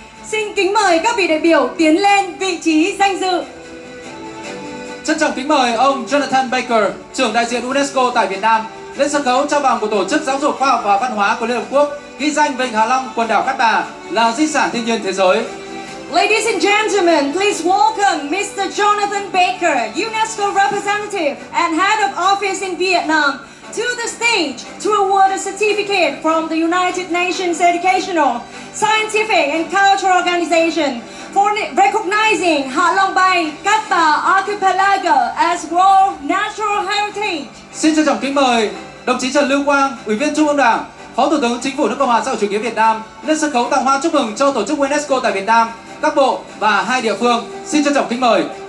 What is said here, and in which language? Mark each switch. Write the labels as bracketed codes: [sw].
[vi] Xin kính mời các vị đại biểu tiến lên vị trí danh dự. Trân trọng kính mời ông Jonathan Baker, trưởng đại diện UNESCO tại Việt Nam, lên sân khấu trao bằng của Tổ chức Giáo dục Khoa học và Văn hóa của Liên Hợp Quốc, ghi danh Vịnh Hạ Long, quần đảo Cát Bà là di sản thiên nhiên thế giới. [en] Ladies and gentlemen, please welcome Mr. Jonathan Baker, UNESCO representative and head of office in Vietnam, to the stage to award a certificate from the United Nations Educational, Scientific and Cultural Organization for recognizing Hạ Long Bay, Cát Bà Archipelago as World Natural Heritage. [vi] Xin trân trọng kính mời đồng chí Trần Lưu Quang, Ủy viên Trung ương Đảng, Phó Thủ tướng Chính phủ nước Cộng hòa xã hội chủ nghĩa Việt Nam lên sân khấu tặng hoa chúc mừng cho tổ chức UNESCO tại Việt Nam, các bộ và hai địa phương. Xin trân trọng kính mời.